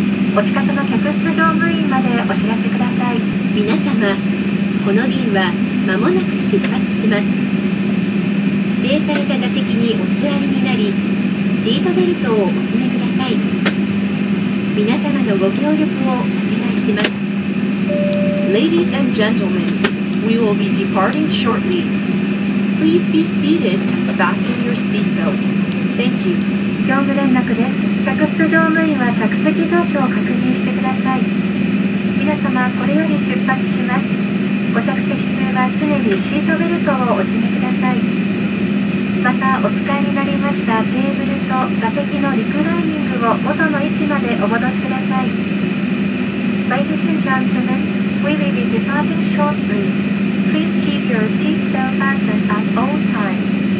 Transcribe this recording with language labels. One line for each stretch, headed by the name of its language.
Japanese: お近くの客室乗務員までお知らせください。皆様、この便は間もなく出発します。指定された座席にお座りになり、シートベルトをお締めください。皆様のご協力をお願いします。
English: Ladies and gentlemen, we will be departing shortly. Please be seated and fasten your seatbelt. Thank you.
Japanese: 業務連絡です。客室乗務員は着席状況を確認してください。皆様、これより出発します。ご着席中は常にシートベルトをお締めください。またお使いになりましたテーブルと座席のリクライニングを元の位置までお戻しください。
English: Ladies and gentlemen, we will be departing shortly. Please keep your seatbelt fastened at all times.